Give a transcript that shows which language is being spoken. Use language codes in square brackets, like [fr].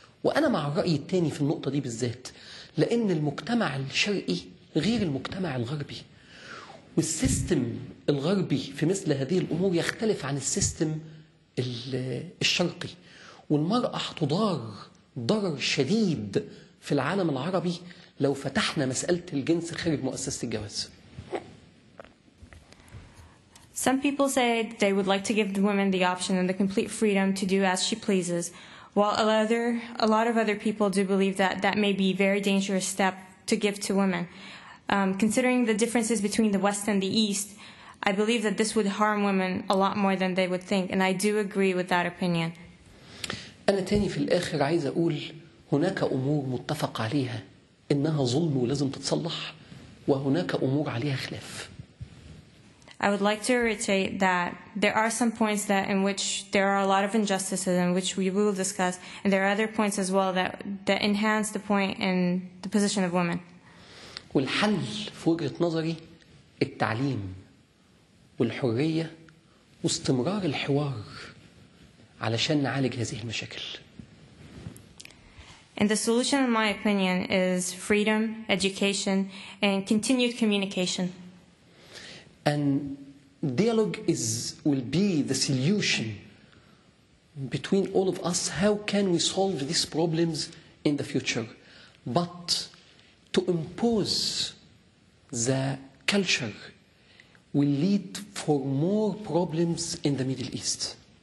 [ar] وأنا مع الرأي الثاني في النقطة دي بالذات، لأن المجتمع الشرقي غير المجتمع الغربي، والسيستم الغربي في مثل هذه الأمور يختلف عن السيستم الشرقي، والمرأة هتضار ضرر شديد في العالم العربي لو فتحنا مسألة الجنس خارج مؤسسة الجواز. [en] Some people say they would like to give the women the option and the complete freedom to do as she pleases, while a lot of other people do believe that that may be a very dangerous step to give to women. Considering the differences between the West and the East, I believe that this would harm women a lot more than they would think, and I do agree with that opinion. [ar] أنا تاني في الآخر عايز أقول هناك أمور متفق عليها إنها ظلم ولازم تتصلح، وهناك أمور عليها خلاف. [en] I would like to reiterate that there are some points that in which there are a lot of injustices and which we will discuss, and there are other points as well that enhance the point in the position of women. [ar] والحل في وجهة نظري التعليم والحرية واستمرار الحوار علشان نعالج هذه المشاكل. [en] And the solution, in my opinion, is freedom, education, and continued communication. And dialogue will be the solution between all of us. How can we solve these problems in the future? But to impose the culture will lead for more problems in the Middle East.